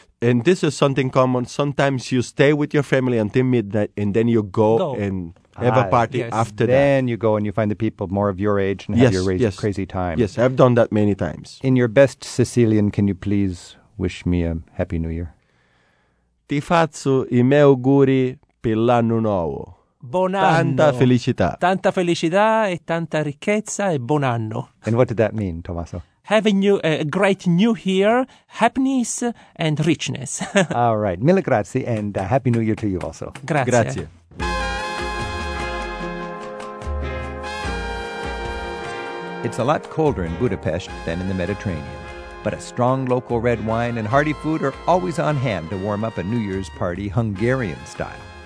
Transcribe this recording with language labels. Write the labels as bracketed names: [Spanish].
[English] And this is something common. Sometimes you stay with your family until midnight and then you go and have a party after then that. Then you go and you find the people more of your age and have crazy time. Yes, I've done that many times. In your best Sicilian, can you please wish me a happy new year? [Italian] Ti faccio I miei auguri per l'anno nuovo. Buon anno. Tanta felicità. Tanta felicità e tanta ricchezza e buon anno. [English] And what did that mean, Tommaso? Have a great new year, happiness and richness. All right. [Italian] Mille grazie [English] and happy new year to you also. [Italian] Grazie. Grazie. [English] It's a lot colder in Budapest than in the Mediterranean, but a strong local red wine and hearty food are always on hand to warm up a New Year's party Hungarian style.